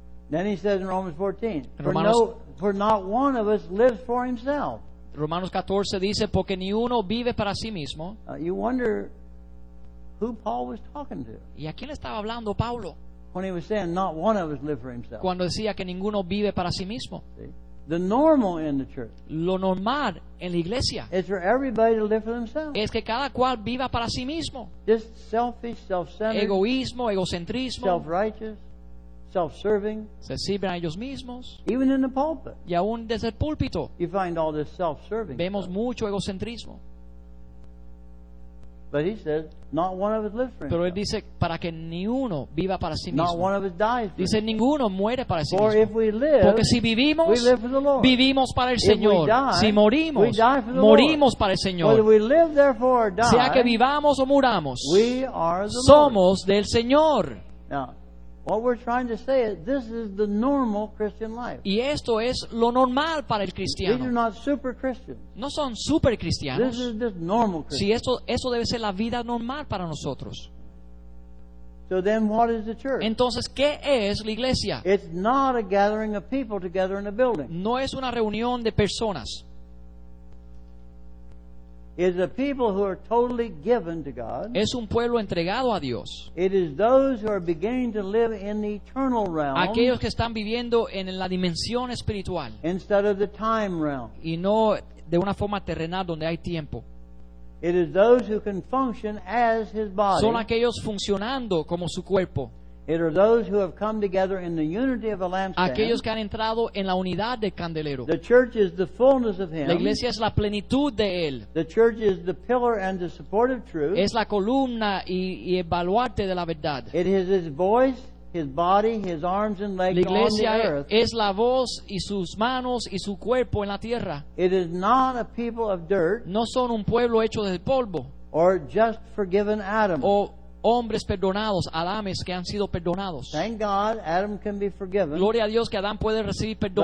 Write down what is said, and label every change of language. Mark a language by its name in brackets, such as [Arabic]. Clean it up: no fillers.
[English] Then he says in Romans 14, for not one of us lives for himself. [Spanish] Romanos 14 dice, porque ni uno vive para sí mismo. [English] You wonder who Paul was talking to. [Spanish] ¿Y a quién estaba hablando Pablo? [English] When he was saying not one of us lives for himself. [Spanish] Cuando decía que ninguno vive para sí mismo. [English] See? The normal in the church. [Spanish] Lo normal en la iglesia. [English] Is for everybody to live for themselves. [Spanish] Es que cada cual viva para sí mismo. [English] Just selfish, self-centered. [Spanish] Egoísmo, egocentrismo. [English] Self-righteous. Self-serving, [Spanish] se sirven a ellos mismos, [English] even in the pulpit, [Spanish] y aún desde el púlpito, [English] you find all this self-serving. [Spanish] Vemos mucho egocentrismo. [English] But he says, not one of us lives for him. [Spanish] Pero él dice para que ni uno viva para sí mismo. [English] Not one of us dies. [Spanish] Dice ninguno muere para sí mismo. [English] For if we live, [Spanish] porque si vivimos, [English] we live for the Lord. [Spanish] Vivimos para el Señor. [English] If we die, [Spanish] si morimos, [English] we die for the [Spanish] morimos [English] Lord. [Spanish] Para el Señor. [English] Whether we live, therefore, or die, [Spanish] sea que vivamos o muramos, [English] we are the [Spanish] somos [English] Lord. [Spanish] Del Señor. [English] Now, what we're trying to say is this is the normal Christian life. [Spanish] Y esto es lo normal para el cristiano. [English] These are not super Christians. [Spanish] No son super cristianos. [English] This is just normal Christians. [Spanish] Sí, esto debe ser la vida normal para nosotros. [English] So then what is the church? [Spanish] Entonces, ¿qué es la iglesia? [English] It's not a gathering of people together in a building. [Spanish] No es una reunión de personas. [English] Is a people who are totally given to God. [Spanish] Es un pueblo entregado a Dios. [English] It is those who are beginning to live in the eternal realm. [Spanish] Aquellos que están viviendo en la dimensión espiritual. [English] Instead of the time realm. [Spanish] Y no de una forma terrenal donde hay tiempo. [English] It is those who can function as His body. [Spanish] Son aquellos funcionando como su cuerpo. [English] It are those who have come together in the unity of a lampstand. [Spanish] Aquellos que han entrado en la unidad del candelero. [English] The church is the fullness of Him. [Spanish] La iglesia es la plenitud de Él. [English] The church is the pillar and the support of truth. [Spanish] Es la columna y el baluarte de la verdad. [English] It is His voice, His body, His arms and legs on the earth. [Spanish] La iglesia es la voz y sus manos y su cuerpo en la tierra. [English] It is not a people of dirt. [Spanish] No son un pueblo hecho de polvo. [English] Or just forgiven Adam. [Spanish] O hombres perdonados, Adames que han sido perdonados. [English] Thank God, Adam can be forgiven. [Spanish] Gloria a Dios que Adán puede recibir perdón